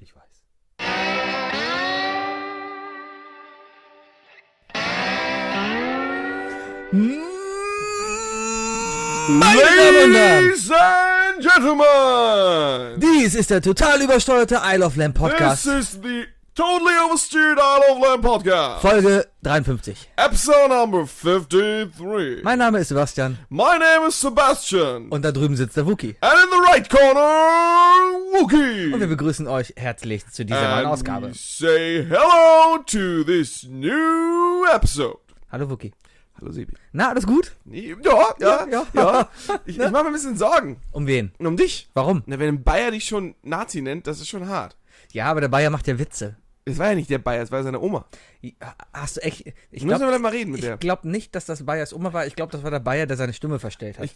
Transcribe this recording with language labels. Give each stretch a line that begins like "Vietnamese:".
German: Ich weiß. Meine Damen und Herren!
English: Ladies and Gentlemen!
German: Dies ist der total übersteuerte Isle of Lamb Podcast.
English: This is the totally oversteered Isle of Lamb Podcast.
German: Folge 53.
English: Episode number 53.
German: Mein Name ist Sebastian.
English: My name is Sebastian.
German: Und da drüben sitzt der Wookie.
English: And in the right corner, Wookie.
German: Und wir begrüßen euch herzlich zu dieser
English: and
German: neuen Ausgabe.
English: We say hello to this new episode.
German: Hallo Wookie. Hallo Sebi. Na, alles gut? Ja. Ich mache mir ein bisschen Sorgen. Um wen? Um dich. Warum? Na, wenn ein Bayer dich schon Nazi nennt, das ist schon hart. Ja, aber der Bayer macht ja Witze. Es war ja nicht der Bayer, es war ja seine Oma. Hast du echt... Ich müssen glaub, wir mal reden mit ich der. Ich glaube nicht, dass das Bayers Oma war. Ich glaube, das war der Bayer, der seine Stimme verstellt hat.